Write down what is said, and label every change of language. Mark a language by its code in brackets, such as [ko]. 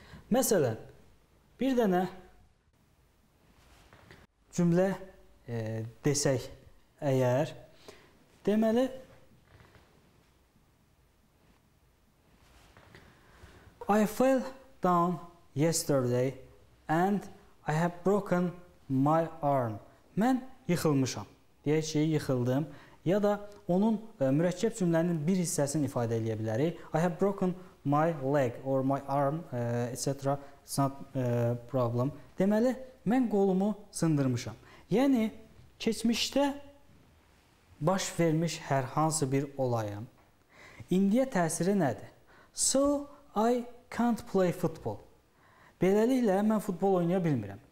[az] Məsələn, bir dənə cümlə desək əgər, deməli, [en] I fell down yesterday and I have broken my arm. [az] Mən yıxılmışam. Deyək ki, yıxıldım. Ya da onun mürəkkəb cümlənin bir hissəsini ifadə edə bilərik. [en] I have broken my leg or my arm, etc. It's not problem. [az] Deməli, mən qolumu sındırmışam. Yəni, keçmişdə baş vermiş hər hansı bir olayın indiyə təsiri nədir? [en] So, I can't play football. [az] Beləliklə, mən futbol oynaya bilmirəm.